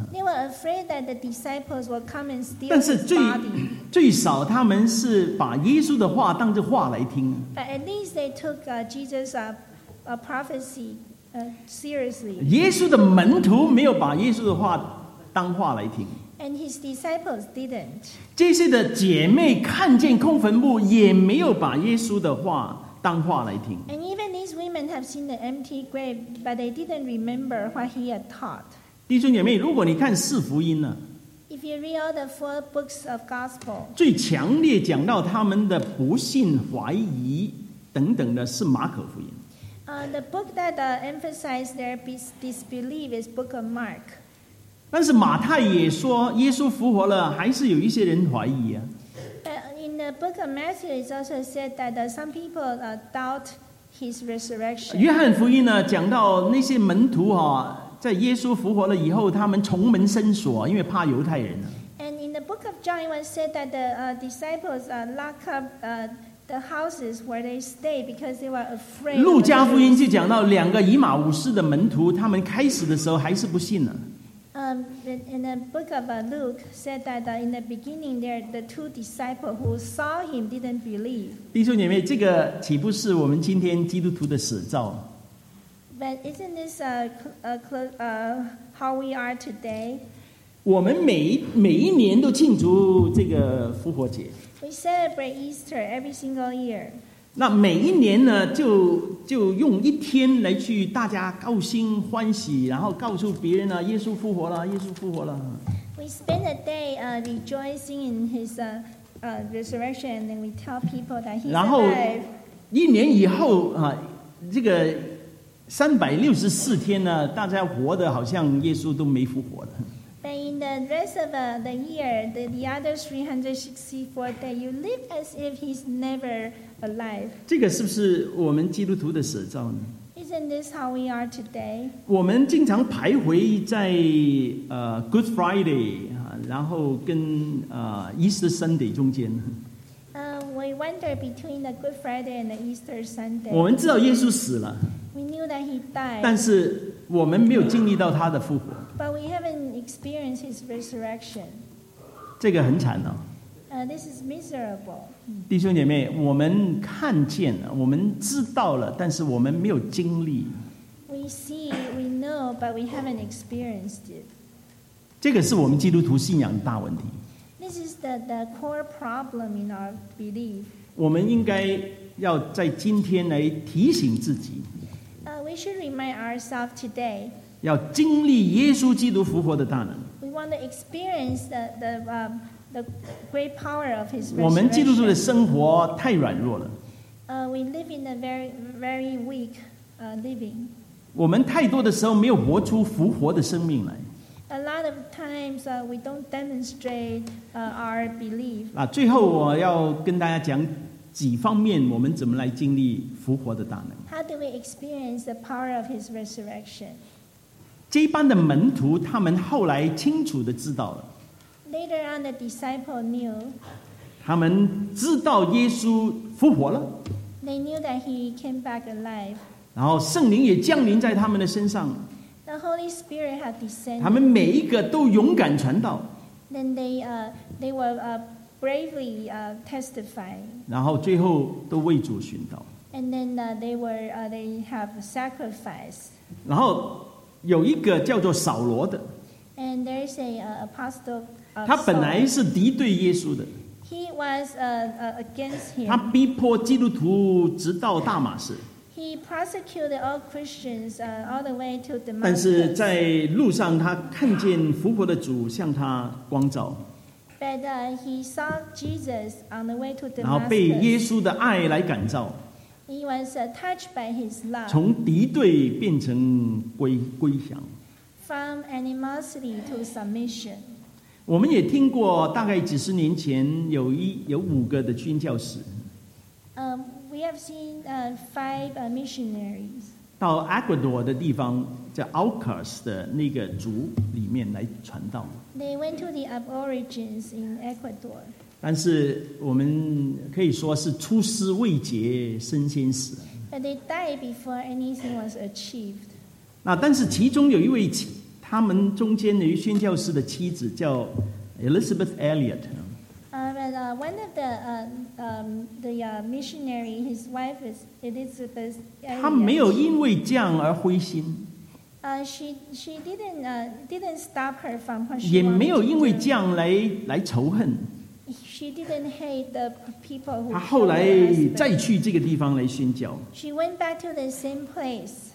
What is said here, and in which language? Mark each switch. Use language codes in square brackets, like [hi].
[en] They were afraid that the disciples would come and steal his body. [zh] 但是最少他们是把耶稣的话当作话来听。 [en] But at least they took Jesus up. A prophecy, seriously. [zh] 耶稣的门徒没有把耶稣的话当话来听。 [en] And his disciples didn't. [zh] 这些的姐妹看见空坟墓，也没有把耶稣的话当话来听。 [en] And even these women have seen the empty grave, but they didn't remember what he had taught. [zh] 弟兄姐妹，如果你看四福音呢？ [en] If you read all the four books of gospel, [zh] 最强烈讲到他们的不信、怀疑等等的是马可福音。 [en] The book that emphasizes their disbelief is Book of Mark. [zh] 但是马太也说耶稣复活了，还是有一些人怀疑啊。 [en] In the Book of Matthew, it's also said that some people doubt his resurrection. [zh] 约翰福音呢，讲到那些门徒哈、啊。在耶稣复活了以后，他们重门深锁，因为怕犹太人。 [en] And in the book of John, it was said that the disciples lock up the houses where they stay because they were afraid. [zh] 路加福音就讲到两个以马忤士的门徒，他们开始的时候还是不信呢。 [en] In the book of Luke said that in the beginning, there the two disciples who saw him didn't believe. [zh] 弟兄姐妹，这个岂不是我们今天基督徒的写照？ [en] But isn't this how we are today? [zh] 我们每一年都庆祝这个复活节。 [en] We celebrate Easter every single year. [zh] 那每一年呢，就用一天来去大家高兴欢喜，然后告诉别人呢，耶稣复活了，耶稣复活了。 [en] We spend a day rejoicing in his resurrection, and then we tell people that he's alive. [zh] 然后一年以后啊，这个。 364天呢，大家活得好像耶稣都没复活的。 [en] But in the rest of the year, the other 364 days, you live as if he's never alive. [zh] 这个是不是我们基督徒的写照呢？ [en] Isn't this how we are today? [zh] 我们经常徘徊在Good Friday, 然后跟Easter Sunday 中间。 [en] We wander between the Good Friday and the Easter Sunday. [zh] 我们知道耶稣死了。 [en] We knew that he died. [zh] 但是我们没有经历到他的复活。 [en] But we haven't experienced his resurrection. [zh] 这个很惨哦。 [en] This is miserable. [zh] 弟兄姐妹，我们看见了，我们知道了，但是我们没有经历。 [en] We see, we know, but we haven't experienced it. [zh] 这个是我们基督徒信仰的大问题。 [en] This is the core problem in our belief. [zh] 我们应该要在今天来提醒自己。 [en] We should remind ourselves today. [zh] 要经历耶稣基督复活的大能。 [en] We want to experience the great power of his resurrection. [zh] 我们基督徒的生活太软弱了。 [en] We live in a very, very weak living. [zh] 我们太多的时候没有活出复活的生命来。 [en] A lot of times we don't demonstrate our belief. [zh] 最后我要跟大家讲几方面我们怎么来经历复活的大能。 [en] How do we experience the power of his resurrection? [zh] 这班的门徒他们后来清楚地知道了。 [en] Later on, the disciple knew. [zh] 他们知道耶稣复活了。 [en] They knew that he came back alive. [zh] 然后圣灵也降临在他们的身上。 [en] The Holy Spirit had descended. [zh] 他们每一个都勇敢传道。 [en] Then they were bravely testifying. [zh] 然后最后都为主殉道。 [en] And then they have sacrifice. [zh] 然后有一个叫做扫罗的。 [en] And there is an apostle. [zh] 他本来是敌对耶稣的。 [en] He was against him. [zh] 他逼迫基督徒直到大马士。 [en] He persecuted all Christians all the way to Damascus. [zh] 但是在路上，他看见复活的主向他光照。 [en] But he saw Jesus on the way to Damascus. [zh] 然后被耶稣的爱来感召。 [en] He was touched by his love. [zh] 从敌对变成归降。 [en] From animosity to submission. [zh] 我们也听过，大概几十年前有五个的军教士。 [en] We have seen five missionaries. [zh] 到 Ecuador 的地方叫 Alcas 的那个族里面来传道。 [en] They went to the aborigines in Ecuador. [zh] 但是我们可以说是出师未捷身先死。 [en] But they died before anything was achieved. [zh] 那但是其中有一位，他们中间的宣教士的妻子叫 Elizabeth Elliot. [en] One of the missionary, his wife is Elizabeth Elliot. [zh] 他没有因为这样而灰心。 [en] She didn't stop her from what she [zh] 也没有因为这样来仇恨。 [en] She didn't hate the people who. [zh] 她后来再去这个地方来宣教。 She went back to the same place.